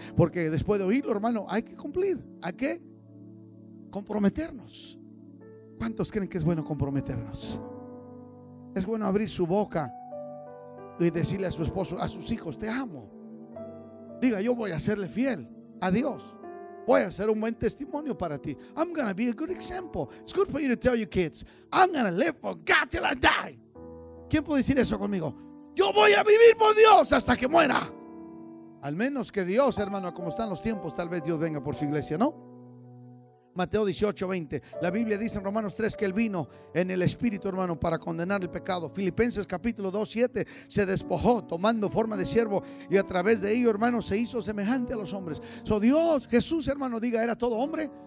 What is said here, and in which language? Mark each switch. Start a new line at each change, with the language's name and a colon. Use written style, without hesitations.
Spanish: Porque después de oírlo, hermano, hay que cumplir. ¿A qué? Comprometernos. ¿Cuántos creen que es bueno comprometernos? Es bueno abrir su boca y decirle a su esposo, a sus hijos, te amo. Diga, yo voy a serle fiel a Dios. Voy a ser un buen testimonio para ti.
English: I'm going to be a good example. It's good for you to tell your kids, I'm going to live for God till I die.
Spanish: ¿Quién puede decir eso conmigo? Yo voy a vivir por Dios hasta que muera. Al menos que Dios, hermano, como están los tiempos, tal vez Dios venga por su iglesia, ¿no? Mateo 18:20, la Biblia dice en Romanos 3 que Él vino en el Espíritu, hermano, para condenar el pecado. Filipenses capítulo 2:7, se despojó tomando forma de siervo y a través de ello, hermano, se hizo semejante a los hombres. So Dios, Jesús, hermano, diga, era todo hombre,